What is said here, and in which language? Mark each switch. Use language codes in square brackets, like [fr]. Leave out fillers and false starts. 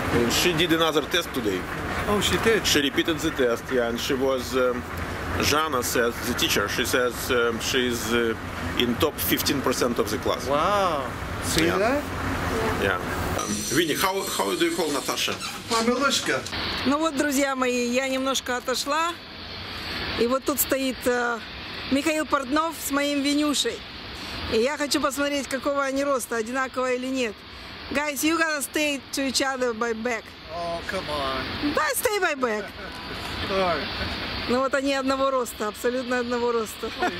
[en] She did another test today. Oh, she did. She repeated the test, yeah, and she was, Jana says, the teacher, she says she's in top 15% of the class. Wow, see yeah. that? Yeah. [ru] Винни, [en] how do you call Наташа? [ru] Помилушка. Ну вот, друзья мои, я немножко отошла, и вот тут стоит Михаил Портнов с моим Винюшей. И я хочу посмотреть, какого они роста, одинаково или нет. [en] Guys, you gotta stay to each other by back. Oh, come on. But stay by back. All right. [ru] Ну вот они одного роста, абсолютно одного роста.